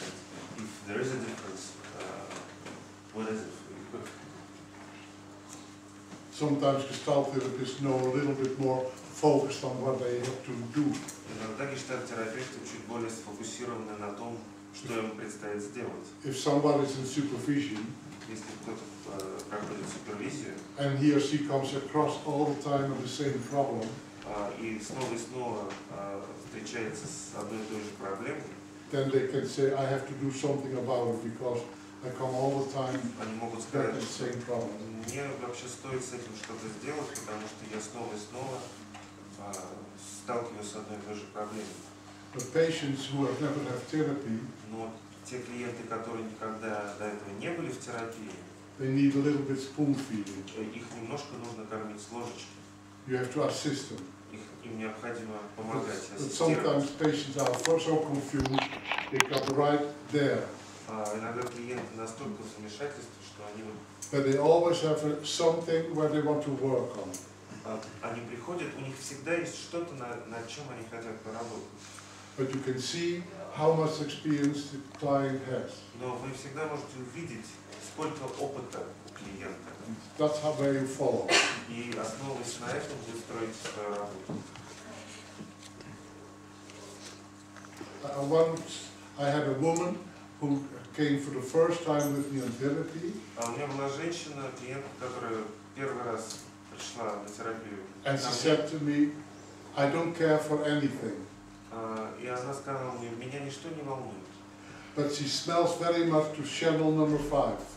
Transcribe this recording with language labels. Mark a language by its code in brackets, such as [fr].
[en] And if there is a difference, what is it for you? Sometimes gestalt therapists know a little bit more focused on what they have to do. [ru] Иногда гештальт терапевты чуть более сфокусированы на том, что им предстоит сделать. [en] If somebody is in supervision, [ru] если кто-то проходит супервизию, [en] and he or she comes across all the time the same problem, [ru] и снова встречается с одной и той же проблемой, [en] then they can say, I have to do something about it because I come all the time. [ru] Они могут сказать, [en] the same problem. [ru] Мне вообще стоит с этим что-то сделать, потому что я снова и снова сталкиваюсь с одной и той же проблемой. [en] But patients who have never had therapy, [ru] но те клиенты, которые никогда до этого не были в терапии, [en] they need a little bit spoon feeding. [ru] Их немножко нужно кормить с ложечки. [en] You have to assist them. [ru] Им необходимо помогать. [en] But sometimes patients are so confused, they come right there. [ru] Иногда клиенты настолько в замешательстве, что они. [en] But they always have something where they want to work on. [ru] Они приходят, у них всегда есть что-то над чем они хотят поработать. [en] But you can see how much experience the client has. [ru] Но вы всегда можете увидеть, сколько опыта у клиента. [en] That's how you follow. [ru] И основываясь на этом, вы строите свою работу. [en] Once I had a woman who came for the first time with me on therapy. [ru] У меня была женщина, клиент, которая первый раз пришла на терапию. [en] And she said to me, I don't care for anything. [ru] И она сказала мне, меня ничто не волнует. [en] But she smells very much to Chanel number 5.